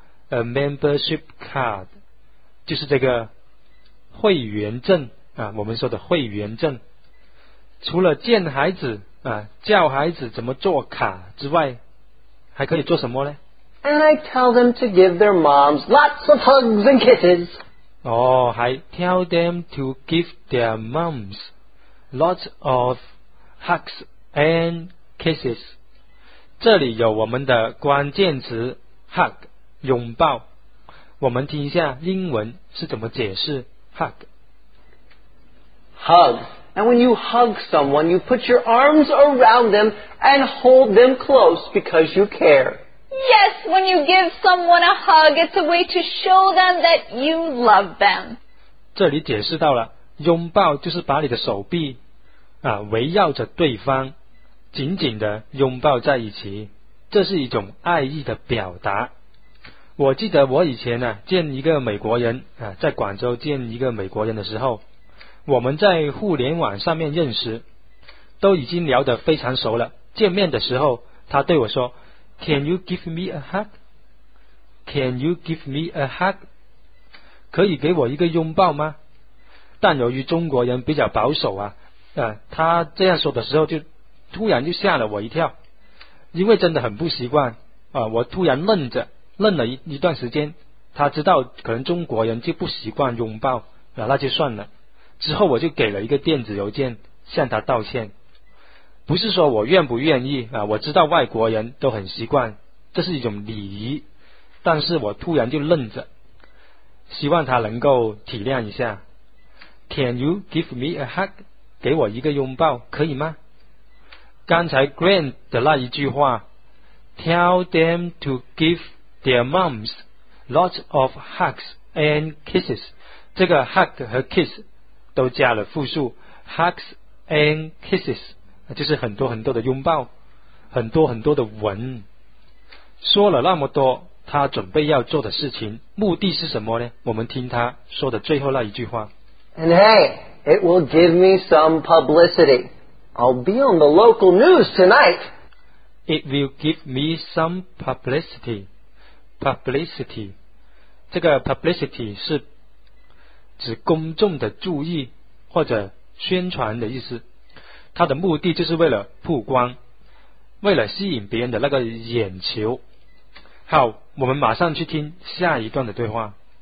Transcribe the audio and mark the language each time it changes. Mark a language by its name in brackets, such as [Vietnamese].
[Chinese] A membership card 就是这个会员证啊，我们说的会员证。除了见孩子啊，教孩子怎么做卡之外，还可以做什么呢？ [English] And I tell them to give their moms lots of hugs and kisses. [Chinese] 哦，还 [English] tell them to give their moms lots of hugs and kisses. [Chinese] 这里有我们的关键词 hug。拥抱，我们听一下英文是怎么解释 hug。 [English] Hug. And when you hug someone, you put your arms around them and hold them close because you care. Yes, when you give someone a hug, it's a way to show them that you love them. [Chinese] 这里解释到了，拥抱就是把你的手臂啊围绕着对方，紧紧的拥抱在一起，这是一种爱意的表达。我记得我以前呢、啊、见一个美国人啊，在广州见一个美国人的时候，我们在互联网上面认识，都已经聊得非常熟了。见面的时候，他对我说 ： [English] “Can you give me a hug? Can you give me a hug? [Chinese] 可以给我一个拥抱吗？” 但由于中国人比较保守啊，他这样说的时候就突然就吓了我一跳，因为真的很不习惯啊，我突然愣了一段时间，他知道可能中国人就不习惯拥抱，那就算了。之后我就给了一个电子邮件向他道歉，不是说我愿不愿意啊，我知道外国人都很习惯，这是一种礼仪，但是我突然就愣着，希望他能够体谅一下。 [English] Can you give me a hug? [Chinese] 给我一个拥抱可以吗？刚才 Grant 的那一句话 [English] Tell them to giveTheir moms, lots of hugs and kisses. [Chinese] 这个 hug 和 kiss 都加了复数， hugs and kisses 就是很多很多的拥抱，很多很多的吻。说了那么多，他准备要做的事情，目的是什么呢？我们听他说的最后那一句话。 [English] And hey, it will give me some publicity. I'll be on the local news tonight. It will give me some publicity. [Chinese] Publicity， 这个 publicity 是指公众的注意或者宣传的意思，它的目的就是为了曝光，为了吸引别人的那个眼球。好，我们马上去听下一段的对话。